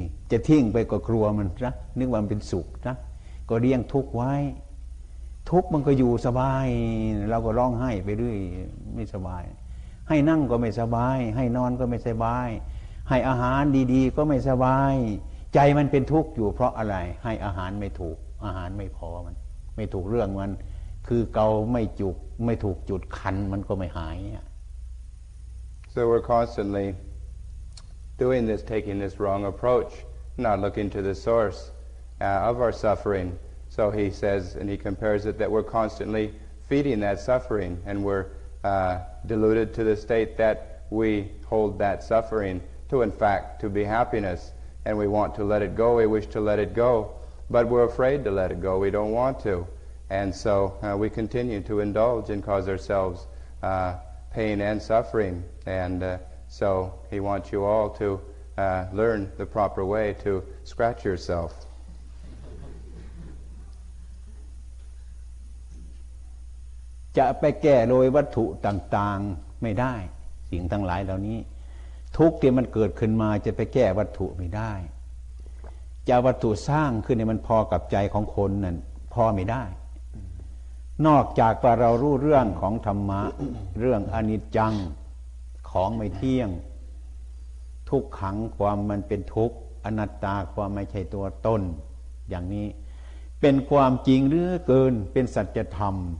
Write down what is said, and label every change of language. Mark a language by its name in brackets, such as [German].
[Thai] จะทิ้งไปก็กลัวมันนะนึกว่ามันเป็นสุขนะก็เลี่ยงทุกข์ไว้ทุกมันก็อยู่สบายเราก็ร้องไห้ไปเรื่อยไม่สบายให้นั่งก็ไม่สบายให้นอนก็ไม่สบายให้อาหารดีๆก็ไม่สบายใจมันเป็นทุกข์อยู่เพราะอะไรให้อาหารไม่ถูกอาหารไม่พอมันไม่ถูกเรื่องมันคือเกาไม่จุกไม่ถูกจุดคันมันก็ไม่หาย [English] So we're constantly doing this taking this wrong approach not looking to the source of our sufferingSo he says, and he compares it, that we're constantly feeding that suffering and we're deluded to the state that we hold that suffering to, in fact, to be happiness. And we want to let it go, we wish to let it go, but we're afraid to let it go, we don't want to. And so we continue to indulge and cause ourselves pain and suffering. And so he wants you all to learn the proper way to scratch yourself. [Thai] จะไปแก้โดยวัตถุต่างๆไม่ได้สิ่งทั้งหลายเหล่านี้ทุกข์ที่มันเกิดขึ้นมาจะไปแก้วัตถุไม่ได้จะวัตถุสร้างขึ้นให้มันพอกับใจของคนนั้นพอไม่ได้นอกจากว่าเรารู้เรื่องของธรรมะ เรื่องอนิจจังของไม่เที่ยงทุกขังความมันเป็นทุกข์อนัตตาความไม่ใช่ตัวตนอย่างนี้เป็นความจริงหรือเกินเป็นสัจธรรม